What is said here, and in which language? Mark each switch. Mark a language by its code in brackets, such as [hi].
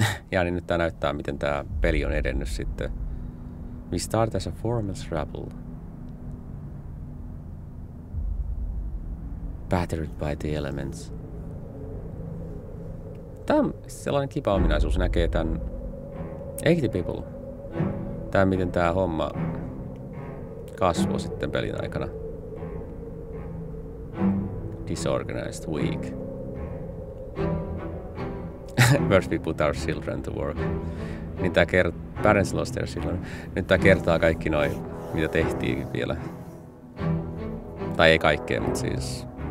[fi] Ja niin nyt tää näyttää, miten tää peli on edennyt sitten. [en] We start as a formless rebel. Battered by the elements. [fi] Tää on sellainen kipa ominaisuus, näkee tän 80 people. Tää, miten tää homma kasvoi sitten pelin aikana. [en] Disorganized, weak. First we put our children to work. [fi] Niin tää [en] parents lost their children. [fi] Nyt tää kertaa kaikki noi, mitä tehtiin vielä. Tai ei kaikkea, mutta siis...